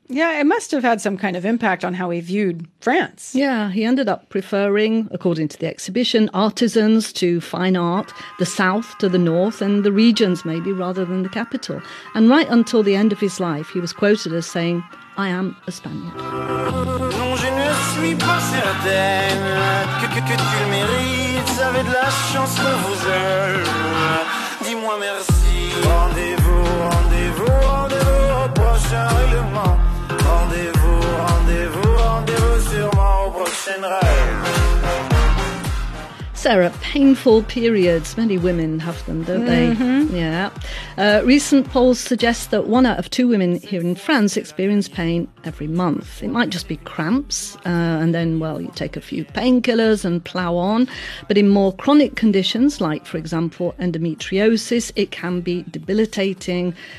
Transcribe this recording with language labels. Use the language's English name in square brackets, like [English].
[English] Yeah, it must have had some kind of impact on how he viewed France. Yeah, he ended up preferring, according to the exhibition, artisans to fine art, the south to the north, and the regions maybe rather than the capital. And right until the end of his life, he was quoted as saying, "I am a Spaniard." [French] Non, je ne suis pas certaine que tu le mérites. Avec de la chance que vous êtes. Dis-moi merci. Rendez-vous, rendez-vous, rendez-vous au prochain règlement. Rendez-vous, rendez-vous, rendez-vous sûrement au prochain rêve. [English] Sarah, painful periods. Many women have them, don't they? Yeah. Recent polls suggest that one out of two women here in France experience pain every month. It might just be cramps, and then, well, you take a few painkillers and plow on. But in more chronic conditions, like, for example, endometriosis, it can be debilitating.